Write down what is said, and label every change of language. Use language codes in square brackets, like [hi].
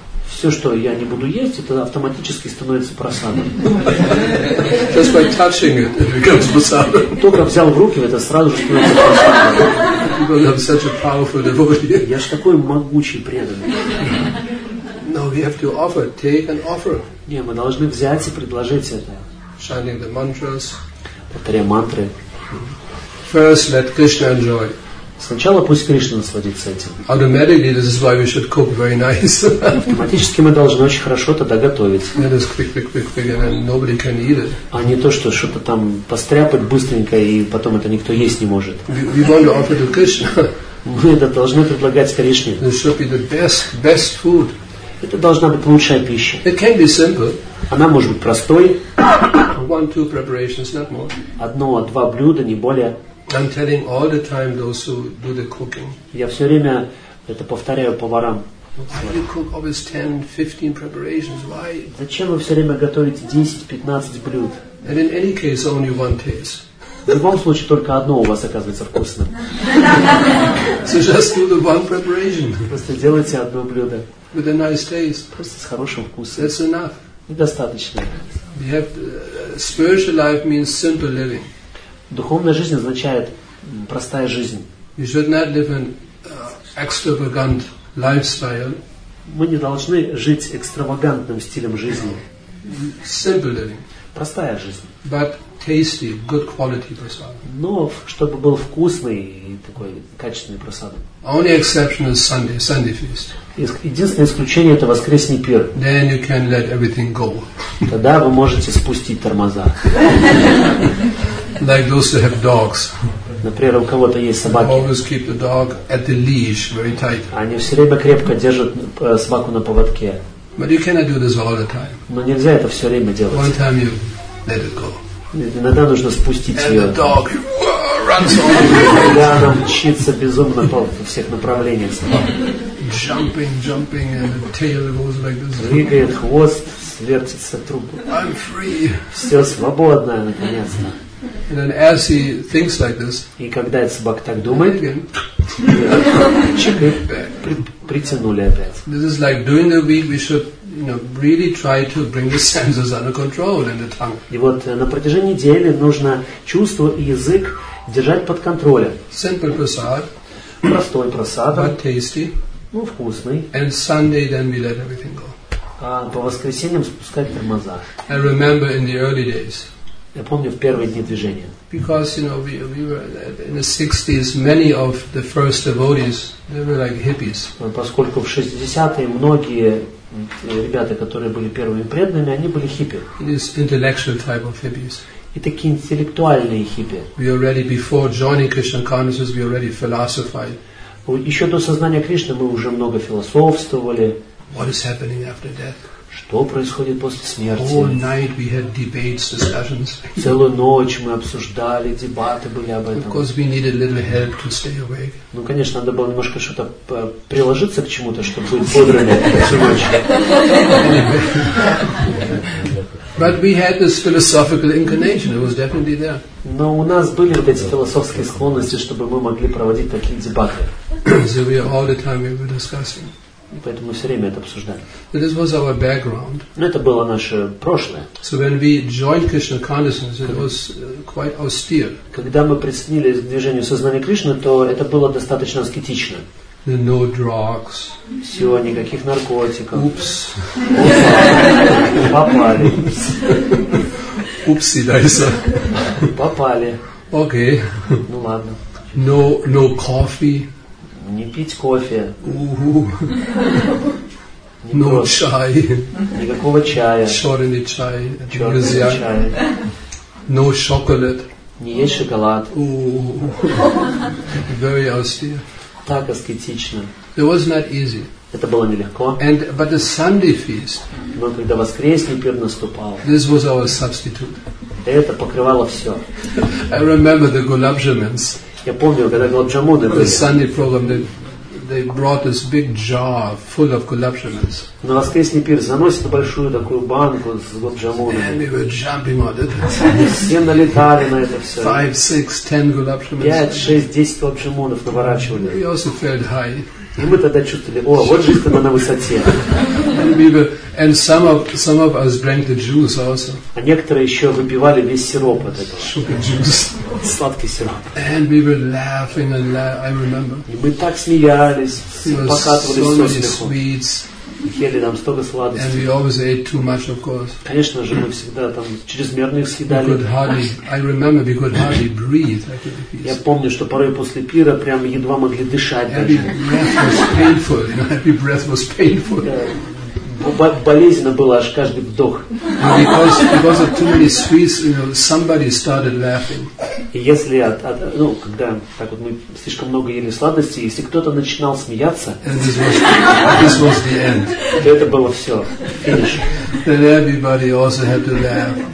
[ru] Все, что я не буду есть, это автоматически становится прасадом. [en] Just by touching it, it becomes prasadam. [ru] Только взял в руки, это сразу же становится прасадом. [en] Such a powerful devotee. [ru] Я же такой могучий преданный. [en] No, we have to offer, take and offer. [ru] Не, мы должны взять и предложить это. [en] Chanting the mantras. [ru] Повторяя мантры. [en] First, let Krishna enjoy. [ru] Сначала пусть Кришна насладится этим. [en] Automatically, this is why we should cook very nice. [ru] Автоматически мы должны очень хорошо тогда готовить. [en] It is quick, and nobody can eat it. [ru] А не то, что что-то там постряпать быстренько, и потом это никто есть не может. [en] We want to offer to Krishna. [ru] Мы это должны предлагать Кришне. [en] This should be the best food. [ru] Это должна быть лучшая пища. [en] It can be simple. [ru] Она может быть простой. [en] One-two preparations, not more. [ru] Одно-два блюда, не более. [en] I'm telling all the time those who do the cooking. [ru] Я все время это повторяю поварам. [en] Why do you cook always 10-15 preparations? Why? [ru] Зачем вы все время готовите 10-15 блюд? [en] And in any case, only one taste. [ru] В любом случае только одно у вас оказывается вкусным. [en] So just do the one preparation. [ru] Просто делайте одно блюдо. [en] With a nice taste. [ru] Просто с хорошим вкусом. [en] That's enough. [ru] Недостаточно. [en] We have spiritual life means simple living. [ru] Духовная жизнь означает простая жизнь. [en] You should not live an extravagant lifestyle. [ru] Мы не должны жить экстравагантным стилем жизни. [en] Simple living. [ru] Простая жизнь. [en] But tasty, good quality prasad. [ru] Но чтобы был вкусный и такой качественный прасад. [en] Only exception is Sunday feast. [ru] Единственное исключение это воскресный пир. [en] Then you can let everything go. [ru] Тогда вы можете спустить тормоза. [en] Like those who have dogs. [ru] Например, у кого-то есть собаки. [en] They always keep the dog at the leash, very tight. [ru] Они все время крепко держат собаку на поводке. [en] But you cannot do this all the time. [ru] Но нельзя это все время делать. [en] One time you let it go. [ru] Иногда нужно спустить ее. [en] And the dog runs all the way. [ru] Иногда она мчится безумно по всех направлениях. [en] Jumping, and the tail goes like this. [ru] Двигает хвост, свертится трубу. [en] I'm free. [ru] Все свободно, наконец-то. [en] And then as he thinks like this, [ru] и когда эта собака так думает, [en] again, [ru] притянули опять. [en] This is like during the week we should, you know, really try to bring the senses under control and the tongue. [ru] И вот на протяжении недели нужно чувство и язык держать под контролем. [en] Simple prasad, [ru] простой прасад, [en] but tasty, [ru] ну вкусный. [en] And Sunday then we let everything go. [ru] А по воскресеньям спускать тормоза. [en] I remember in the early days. [ru] Я помню в первые дни движения. [en] Because you know we were in the 60s, many of the first devotees they were like hippies. [ru] Поскольку в 60-е многие ребята, которые были первыми преданными, они были хиппи. [en] It is intellectual type of hippies. [ru] И такие интеллектуальные хиппи. [en] We already before joining Krishna consciousness we already philosophized. [ru] Еще до сознания Кришны мы уже много философствовали. [en] What is happening after death? [ru] Что происходит после смерти? [en] All night we had debates, discussions. [ru] Целую ночь мы обсуждали, дебаты были об этом. [en] Of course we needed a little help to stay awake. [ru] Ну, конечно, надо было немножко что-то приложиться к чему-то, чтобы быть бодрыми всю ночь. [en] But we had this philosophical inclination. It was definitely there. [ru] Но у нас были вот эти философские склонности, чтобы мы могли проводить такие дебаты. [en] So we all the time we were discussing. [ru] Поэтому мы все время это обсуждали. [en] But this was our background. [ru] Но это было наше прошлое. [en] So when we joined Krishna consciousness, it was quite austere. [ru] Когда мы присоединились к движению сознания Кришны, то это было достаточно аскетично. [en] No drugs. [ru] Все, никаких наркотиков. [en] Oops. [ru] Попали. [en] Oopsie, Daisa. [ru] Попали. [en] Okay. [ru] Ну ладно. [en] No coffee. [ru] Не пить кофе. [en] No чай. [ru] Никакого чая. Черный чай. Черный чай. [en] No chocolate. [ru] Не есть шоколад. [en] Very austere. [ru] Так аскетично. [en] It was not easy. [ru] Это было нелегко. [en] And but the Sunday feast. [ru] Но когда воскресный пир наступал. [en] This was our substitute. [ru] Это покрывало все. [en] I remember the gulab jamuns. [ru] Я помню, когда гулаб джамуны были. [en] The Sunday program, they brought this big jar full of gulab jamuns. [ru] На воскресный пир заносят большую такую банку с гулаб джамунами. [en] And we were jumping on it. [ru] Все налетали на это все. [en] 5, 6, 10 gulab jamuns. [ru] 5, 6, 10 gulab jamunов наворачивали. [en] We also felt high. [ru] И мы тогда чувствовали, о, вот жизнь она на высоте. [en] And some of us drank the juice also. [ru] А некоторые еще выпивали весь сироп от этого. [en] Sugar juice. [ru] Сладкий сироп. [en] And we were laughing and I remember. [ru] И мы так смеялись, покатывались со смеху. [en] So many sweets. [ru] Ели там столько сладостей. [en] And we always ate too much, of course. [ru] Конечно же, мы всегда там чрезмерно их съедали. [en] We could hardly, I remember, we could hardly breathe. [ru] Я помню, что порой после пира прям едва могли дышать. [en] Every breath was painful. Every breath was painful. [ru] Болезненно было аж каждый вдох. [en] Because of too many sweets, you know, somebody started laughing. [ru] Если ну, когда так вот мы слишком много ели сладостей, если кто-то начинал смеяться, [en] this was the end. [ru] То это было все. Финиш. [en] Then everybody also had to laugh.